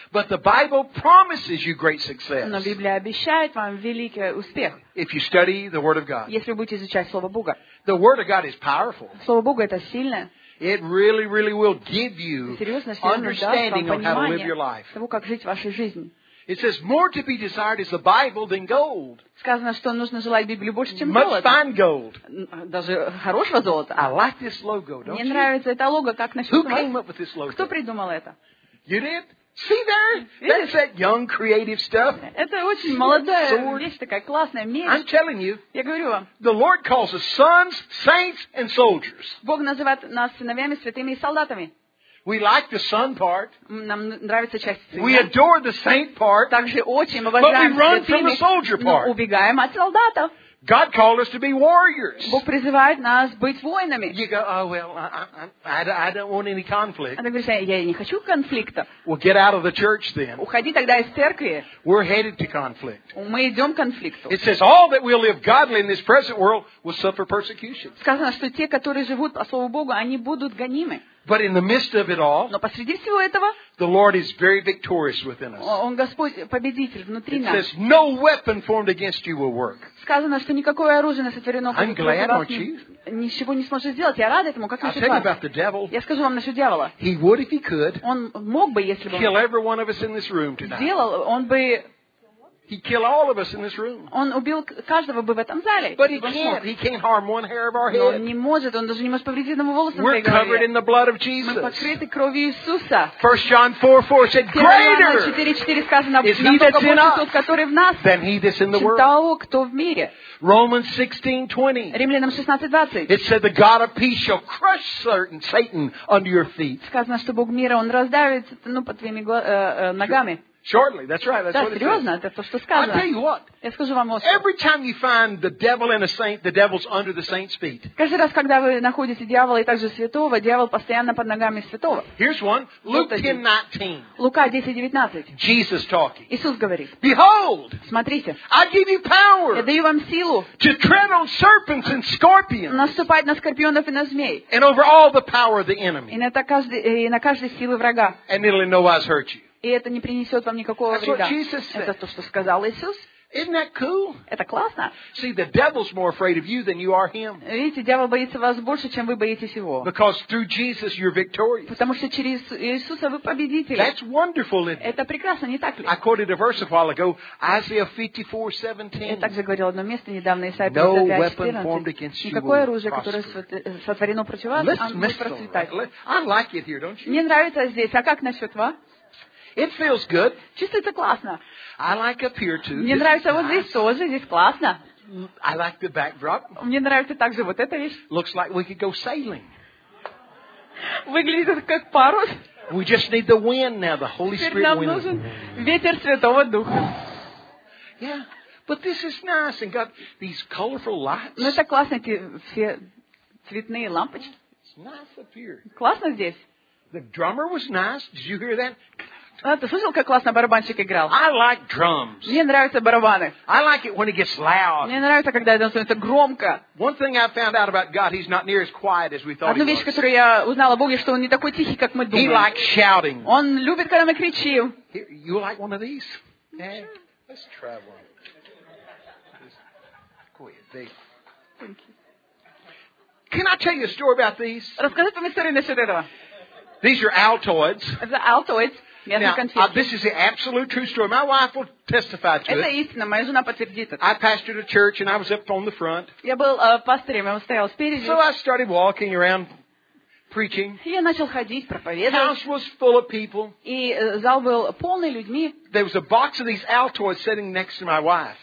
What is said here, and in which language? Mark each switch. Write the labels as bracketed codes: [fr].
[en] But the Bible promises you great success. [ru] Но Библия обещает вам великий успех. [en] If you study the Word of God. [ru] Если вы будете изучать Слово Бога. [en] The Word of God is powerful. [ru] Слово Бога это сильное. [en] It really, really will give you understanding of how to live your life. [ru] Того, как жить вашей жизнью. [en] It says more to be desired is the Bible than gold. [ru] Сказано, что нужно желать Библию больше, чем [en] Much [ru] золото. [en] Much fine gold. [ru] Даже хорошего золота. [en] I like this logo, don't [ru] Мне [en] you? [ru] Мне нравится это лого, как насчет [en] Who came up with this logo? [ru] Кто придумал это? [en] You did? See there? That's it? That young creative stuff. [ru] Это очень молодая вещь такая классная, меч. [en] I'm telling you. [ru] Я говорю вам. [en] The Lord calls us sons, saints and soldiers. [ru] Бог называет нас сыновьями, святыми и солдатами. [en] We like the son part. [ru] Нам нравится часть сына. [en] We adore the saint part. [ru] Также очень обожаем святыми. [en] But we run from the soldier part. [ru] Но убегаем от солдатов. [en] God called us to be warriors. [ru] Бог призывает нас быть воинами. [en] You go, oh well, I don't want any conflict. [ru] А ты говоришь, я не хочу конфликта. [en] Well, get out of the church then. [ru] Уходи тогда из церкви. [en] We're headed to conflict. [ru] Мы идем к конфликту. [en] It says all that will live godly in this present world will suffer persecution. [ru] Сказано, что те, которые живут по слову Богу, они будут гонимы. [en] But in the midst of it all, [ru] Но посреди всего этого, [en] the Lord is very victorious within us. [ru] Он Господь победитель внутри нас. [en] It says no weapon formed against you will work. [ru] Сказано, что никакое оружие не сотворено против вас. [en] I'm glad, aren't you? [ru] Ничего не сможет сделать. Я рад этому. Как насчет вас? [en] I'll tell you about the devil. [ru] Я скажу вам насчет дьявола. [en] He would if he could. [ru] Он мог бы, если бы. [en] Kill every one of us in this room tonight. [ru] Сделал, он бы. [en] He'd kill all of us in this room. [ru] Он убил каждого бы в этом зале. [en] But he can't harm one hair of our head. [ru] Но он не может, он даже не может повредить одному волосу. [en] We're covered in the blood of Jesus. [ru] Мы покрыты кровью Иисуса. [en] 1 John 4:4 said, Greater. [ru] 4:4 сказано, [en] He that's in us, [ru] который в нас, [en] than he that's in the world. [ru] Того, кто в мире. [en] Romans 16:20. [ru] Римлянам 16:20. [en] It said, The God of peace shall crush certain Satan under your feet. [ru] Сказано, что Бог мира, он раздавит сатану под твоими ногами. [en] Shortly, that's right. That's [ru] да, [en] what [ru] серьезно, [en] it says. [ru] Это то, что сказано. [en] I tell you what. [ru] Я скажу вам вот. [en] Every time you find the devil and a saint, the devil's under the saint's feet. [ru] Каждый раз, когда вы находите дьявола и также святого, дьявол постоянно под ногами святого. [en] Here's one. Luke 10:19. [ru] Лука 10:19. [en] Jesus talking. [ru] Иисус говорит. [en] Behold. [ru] Смотрите. [en] I give you power. [ru] Я даю вам силу. [en] To tread on serpents and scorpions. [ru] Наступать на скорпионов и на змей. [en] And over all the power of the enemy. [ru] И на каждой силы врага. [en] And it'll in no wise hurt you. [ru] И это не принесет вам никакого вреда. Это то, что сказал Иисус. [en] Isn't that cool? [ru] Это классно. [en] See, the devil's more afraid of you than you are him. [ru] Видите, дьявол боится вас больше, чем вы боитесь его. [en] Because through Jesus you're victorious. [ru] Потому что через Иисуса вы победители. [en] That's wonderful. [ru] Это прекрасно, не так ли? [en] I quoted a verse a while ago, Isaiah 54:17. [ru] Я также говорил одно место недавно, Исаия 54:17. Никакое оружие, которое сотворено против вас, оно будет процветать. [en] I like it here, don't you? [ru] Мне нравится здесь. А как насчет вас? [en] It feels good. [ru] Чувствуется классно. [en] I like up here too. [ru] Мне нравится вот здесь тоже, здесь классно. [en] I like the backdrop. [ru] Мне нравится также вот эта вещь. [en] Looks like we could go sailing. [ru] Выглядит как парус. [en] We just need the wind now, the Holy Spirit wind. [ru] Теперь нам нужен ветер Святого Духа. [en] Yeah, but this is nice and got these colorful lights. [ru] Ну это классно, эти все цветные лампочки. [en] It's nice up here. [ru] Классно здесь. [en] The drummer was nice. Did you hear that? [ru] А, ты слышал, как классно барабанщик играл? [en] I like drums. [ru] Мне нравятся барабаны. [en] I like it when it gets loud. [ru] Мне нравится, когда это становится громко. [en] One thing I found out about God, he's not near as quiet as we thought. [ru] Одну вещь, которую я узнала о Боге, что он не такой тихий, как мы думаем. [en] He likes shouting. [ru] Он любит, когда мы кричим. [en] You like one of these? Yeah. Sure. Let's try one. Thank you. Can I tell you a story about these? [ru] Расскажи мне историю насчет этого. [en] These are Altoids. [ru] Это Altoids. [en] Now, this is the absolute true story. My wife will testify to it. [ru] Это истина, моя жена подтвердит это. [en] I pastored a church and I was up on the front. [ru] Я был пастырем, я стоял спереди. [en] So I started walking around preaching. [ru] Я начал ходить, проповедовать. [en] House was full of people. [ru] И зал был полный людьми. [en] There was a box of these Altoids sitting next to my wife.